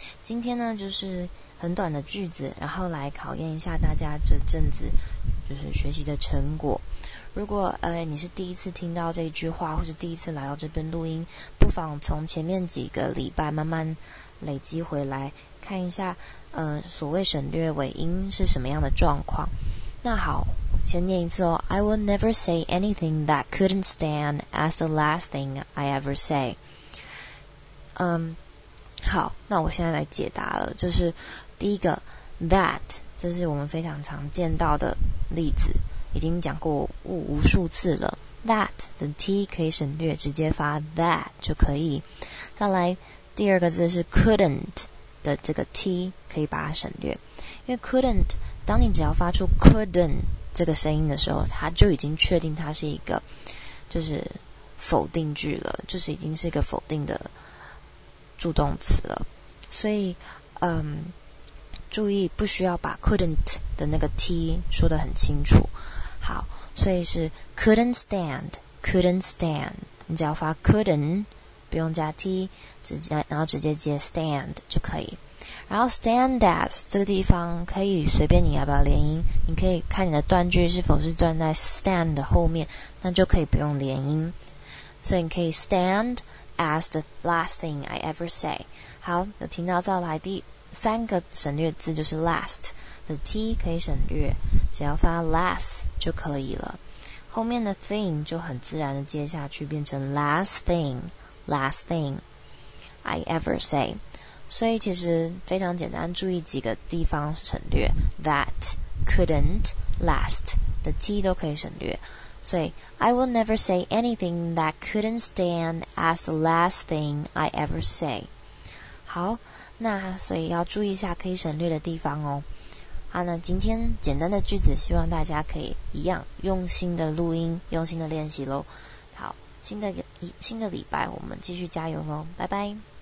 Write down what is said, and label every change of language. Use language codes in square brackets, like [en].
[zh] 今天呢就是很短的句子，然后来考验一下大家这阵子就是学习的成果。如果你是第一次听到这句话，或是第一次来到这边录音，不妨从前面几个礼拜慢慢累积回来，看一下所谓省略尾音是什么样的状况。那好，先念一次哦。 [en] I will never say anything that couldn't stand as the last thing I ever say。 [zh] 好，那我现在来解答了。就是第一个 that， 这是我们非常常见到的例子，已经讲过 无数次了。 that 的 t 可以省略，直接发 that 就可以。再来第二个字是 couldn't 的这个 t， 可以把它省略，因为 couldn't 当你只要发出 couldn't 这个声音的时候，它就已经确定它是一个就是否定句了，就是已经是一个否定的助动词了。所以注意不需要把 couldn't 的那个 t 说得很清楚。好，所以是 couldn't stand， couldn't stand， 你只要发 couldn't， 不用加 t， 直接然后直接接 stand 就可以。然后 stand as 这个地方可以随便你要不要连音，你可以看你的断句是否是断在 stand 的后面，那就可以不用连音。所以你可以 [en] stand as the last thing I ever say。 [zh] 好，有听到，再来第三个省略字就是 last， 的 t 可以省略，只要发 less 就可以了，后面的 thing 就很自然的接下去变成 [en] last thing I ever say。 [zh] 所以其实非常简单，注意几个地方省略， that， couldn't， last 的 t 都可以省略。所以 [en] I will never say anything that couldn't stand as the last thing I ever say。 [zh] 好，那所以要注意一下可以省略的地方哦。好，那今天简单的句子，希望大家可以一样用心的录音，用心的练习咯。好，新的礼拜我们继续加油咯，拜拜。